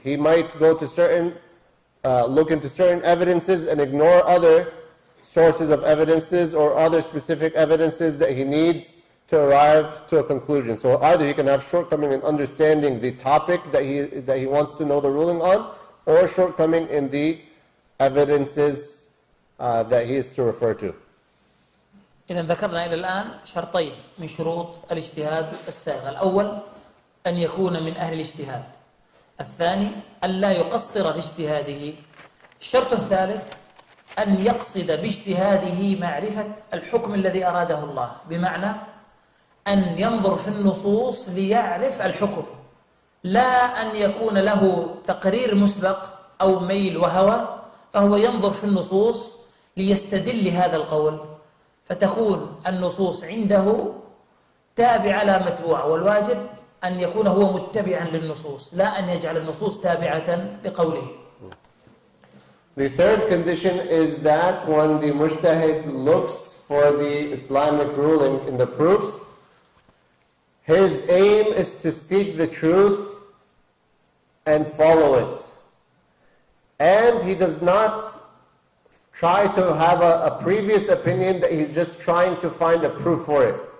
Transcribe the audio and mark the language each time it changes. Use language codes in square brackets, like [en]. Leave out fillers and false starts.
[en] He might go to look into certain evidences and ignore other sources of evidences or other specific evidences that he needs to arrive to a conclusion. So either he can have shortcoming in understanding the topic that he wants to know the ruling on, or shortcoming in the evidences that he is to refer to. [ar] إذا ذكرنا إلى الآن شرطين من شروط الاجتهاد السائغ. الأول أن يكون من أهل الاجتهاد. الثاني أن لا يقصر في اجتهاده. الشرط الثالث أن يقصد باجتهاده معرفة الحكم الذي أراده الله، بمعنى أن ينظر في النصوص ليعرف الحكم، لا أن يكون له تقرير مسبق أو ميل وهوى، فهو ينظر في النصوص ليستدل هذا القول فتكون النصوص عنده تابعة لا متبوعة، والواجب أن يكون هو متبعا للنصوص لا أن يجعل النصوص تابعة لقوله. [en] The third condition is that when the mujtahid looks for the Islamic ruling in the proofs, his aim is to seek the truth and follow it. And he does not try to have a previous opinion, that he's just trying to find a proof for it.